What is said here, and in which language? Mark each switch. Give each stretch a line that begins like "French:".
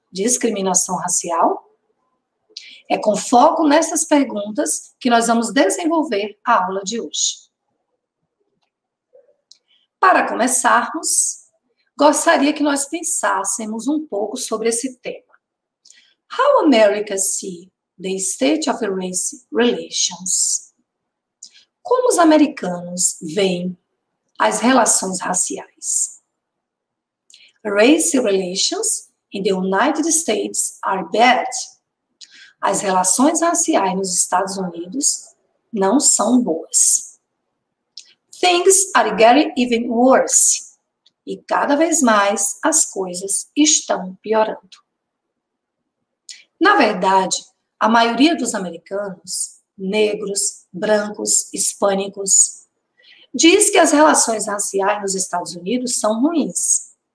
Portuguese: discriminação racial? É com foco nessas perguntas que nós vamos desenvolver a aula de hoje. Para começarmos, gostaria que nós pensássemos um pouco sobre esse tema.
English: How America see the state of race relations?
Portuguese: Como os americanos veem as relações raciais?
English: Race relations in the United States are bad.
Portuguese: As relações raciais nos Estados Unidos não são boas.
English: Things are getting even worse.
Portuguese: E cada vez mais as coisas estão piorando. Na verdade, a maioria dos americanos, negros, brancos, hispânicos, diz que as relações raciais nos Estados Unidos são ruins.